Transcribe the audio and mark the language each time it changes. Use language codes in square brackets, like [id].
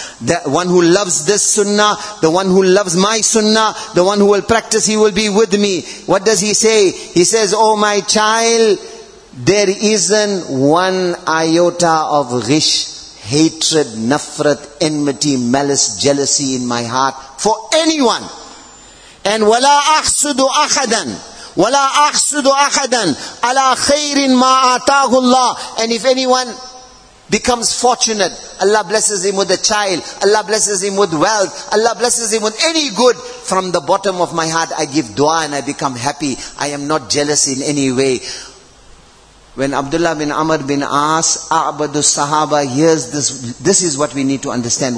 [en] The one who loves this sunnah, the one who loves my sunnah, the one who will practice, he will be with me. What does he say? He says, oh my child, there isn't one iota of ghish, hatred, nafrat, enmity, malice, jealousy in my heart for anyone. [ar] And وَلَا أَحْسُدُ أَحَدًا. وَلَا أَحْسُدُ أَحَدًا عَلَىٰ خَيْرٍ مَا آتَاهُ اللَّهِ. [en] And if anyone becomes fortunate, Allah blesses him with a child, Allah blesses him with wealth, Allah blesses him with any good, from the bottom of my heart I give dua and I become happy. I am not jealous in any way. When Abdullah bin Amr bin As, أَعْبَدُ Sahaba, hears this, this is what we need to understand.